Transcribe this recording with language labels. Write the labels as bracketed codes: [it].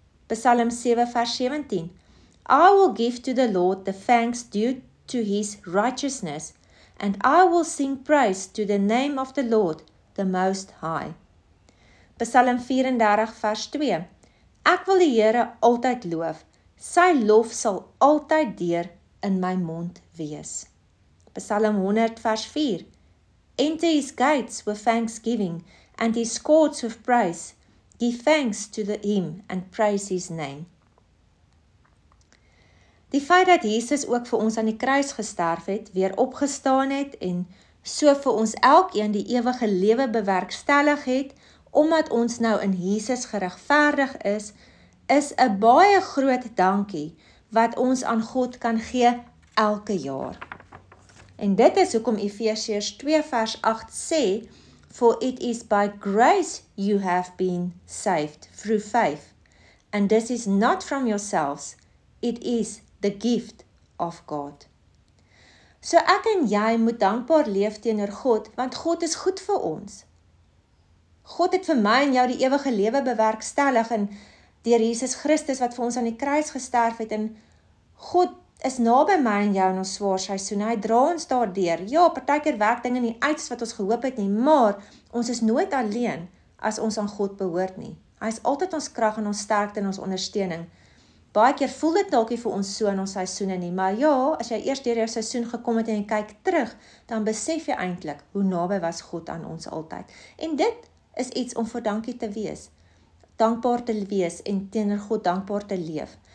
[en] Psalm 7 vers 17 I will give to the Lord the thanks due to his righteousness and I will sing praise to the name of the Lord the most high. [af] Psalm 34 vers 2 Ek wil die Here altyd loof. Sy lof sal altyd deur in my mond wees. [en] Psalm 100 vers 4 Enter his gates with thanksgiving and his courts with praise. Give thanks to him and praise his name. [af] Die feit dat Jesus ook vir ons aan die kruis gesterf het, weer opgestaan het en so vir ons elkeen die ewige lewe bewerkstellig het, omdat ons nou in Jesus geregverdig is, is 'n baie groot dankie wat ons aan God kan gee elke jaar. En dit is hoekom Efesiërs 2 vers 8 sê, [en] For it is by grace you have been saved through faith, and this is not from yourselves, it is the gift of God. [af] So ek en jy moet dankbaar leef teenoor God, want God is goed vir ons. God het vir my en jou die ewige lewe bewerkstellig en deur Jesus Christus wat vir ons aan die kruis gesterf het en God is naby my en jou in ons swaar seisoen. Hy dra ons daardeur. Ja, partykeer werk dinge nie uit wat ons gehoop het nie, maar ons is nooit alleen as ons aan God behoort nie. Hy is altyd ons krag en ons sterkte en ons ondersteuning. Baie keer voel dit dalkie vir ons so in ons seisoene nie, maar ja, as jy eers deur jou seisoen gekom het en jy kyk terug, dan besef jy eintlik hoe naby was God aan ons altyd. En dit is iets om vir dankie te wees. Dankbaar te wees en teenoor God dankbaar te leef.